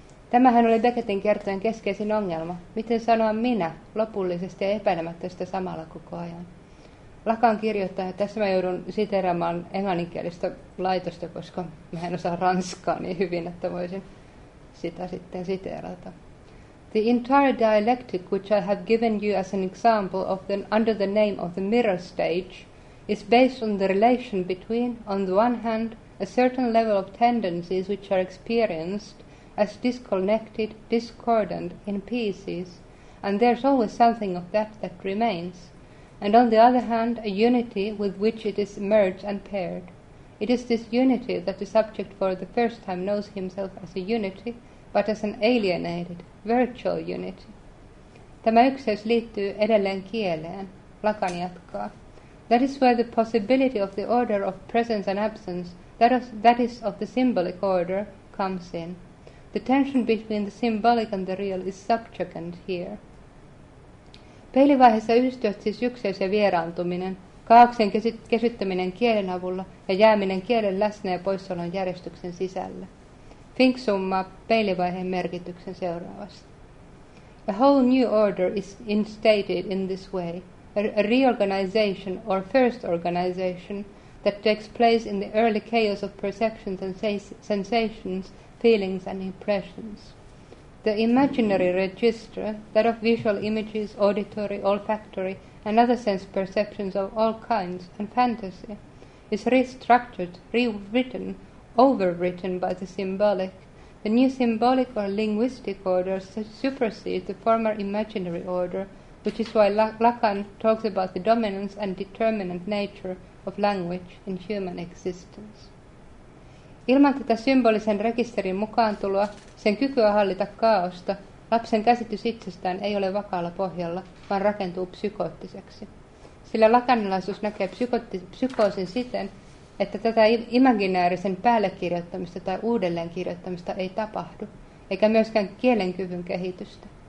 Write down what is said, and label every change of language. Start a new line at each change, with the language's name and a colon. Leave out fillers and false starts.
Finnish: Tämähän oli Beckettin kertojen keskeisin ongelma, miten sanoa minä lopullisesti ja epäilemättä sitä samalla koko ajan. Lacan kirjoittaa, että tässä mä joudun siteeraamaan englanninkielistä laitosta, koska mä en osaa ranskaa niin hyvin, että voisin sitä sitten siteerata.
English: The entire dialectic which I have given you as an example of the, under the name of the mirror stage is based on the relation between, on the one hand, a certain level of tendencies which are experienced as disconnected, discordant in pieces, and there's always something of that that remains, and on the other hand, a unity with which it is merged and paired. It is this unity that the subject for the first time knows himself as a unity, but as an alienated, virtual unity.
Finnish: Tämä yksiös liittyy edelleen kieleen. Lacan jatkaa.
English: That is where the possibility of the order of presence and absence, that is of the symbolic order, comes in. The tension between the symbolic and the real is subjugant here.
Finnish: Peilivaiheessa yhdistyvät siis yksiös ja vieraantuminen, kaauksen kesyttäminen kielen avulla ja jääminen kielen läsnä ja poissaolon järjestyksen sisällä. Fink summaa peilivaiheen merkityksen seuraavasti.
English: A whole new order is instated in this way, a reorganization or first organization that takes place in the early chaos of perceptions and sensations, feelings and impressions. The imaginary register, that of visual images, auditory, olfactory, and other sense perceptions of all kinds and fantasy, is restructured, rewritten, overwritten by the symbolic. The new symbolic or linguistic order supersedes the former imaginary order, which is why Lacan talks about the dominance and determinant nature of language in human existence.
Finnish: Ilman tätä symbolisen rekisterin mukaantuloa, sen kykyä hallita kaaosta, lapsen käsitys itsestään ei ole vakaalla pohjalla, vaan rakentuu psykoottiseksi. Sillä lakanilaisuus näkee psykoosin siten, että tätä imaginäärisen päällekirjoittamista tai uudelleenkirjoittamista ei tapahdu, eikä myöskään kielenkyvyn kehitystä.